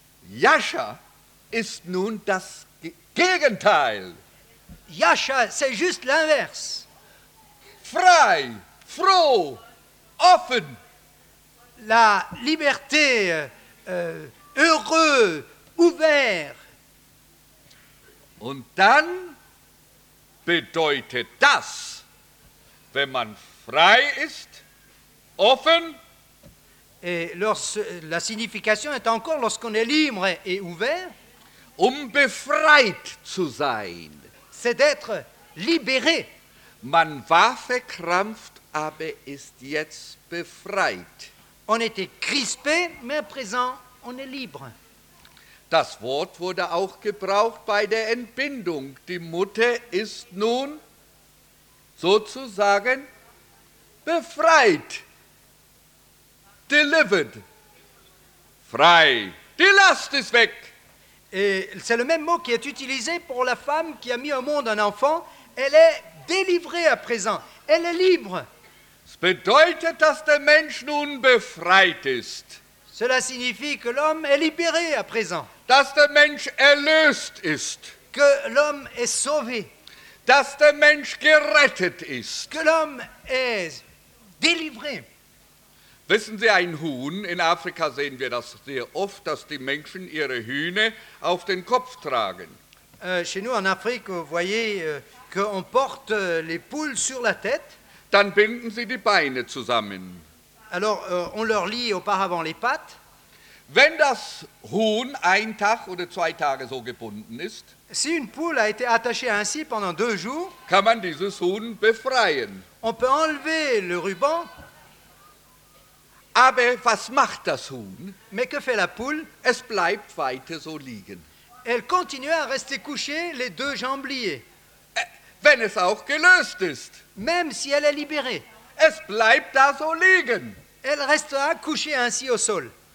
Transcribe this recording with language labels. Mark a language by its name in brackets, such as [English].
[German] Yasha ist nun das Gegenteil. [French] Yasha, c'est juste l'inverse. [German] Frei, froh, offen. [French] La liberté, heureux, ouvert. [German] Und dann bedeutet das, wenn man frei ist, offen. [French] Et la signification est encore lorsqu'on est libre et ouvert. [German] Um befreit zu sein. [French] C'est d'être libéré. [German] Man war verkrampft, aber ist jetzt befreit. [French] On était crispé, mais à présent, on est libre. [German] Das Wort wurde auch gebraucht bei der Entbindung. Die Mutter ist nun sozusagen befreit. [English] delivered. [German] Frei. Die Last ist weg. [French] Et c'est le même mot qui est utilisé pour la femme qui a mis au monde un enfant. Elle est délivrée à présent. Elle est libre. [German] Es bedeutet, dass der Mensch nun befreit ist. [French] Cela signifie que l'homme est libéré à présent. [German] Dass der Mensch erlöst ist. [French] Que l'homme est sauvé. [German] Dass der Mensch gerettet ist. [French] Que l'homme est délivré. [German] Wissen Sie, ein Huhn, in Afrika sehen wir das sehr oft, dass die Menschen ihre Hühner auf den Kopf tragen. [French] Chez nous en Afrique, vous voyez qu'on porte les poules sur la tête. [German] Dann binden sie die Beine zusammen. [French] Alors, on leur lie auparavant les pattes. [German] Wenn das Huhn ein Tag oder zwei Tage so gebunden ist, [French] si une poule a été attachée ainsi pendant deux jours, [German] kann man dieses Huhn befreien. [French] On peut enlever le ruban. [German] Aber was macht das Huhn? [French] Mais que fait la poule? [German] Es bleibt weiter so liegen. [French] Elle continue à rester couchée, les deux jambes liées. [German] Wenn es auch gelöst ist. [French] Même si elle est libérée. [German] Es bleibt da so liegen. [French] Elle restera couchée ainsi au sol.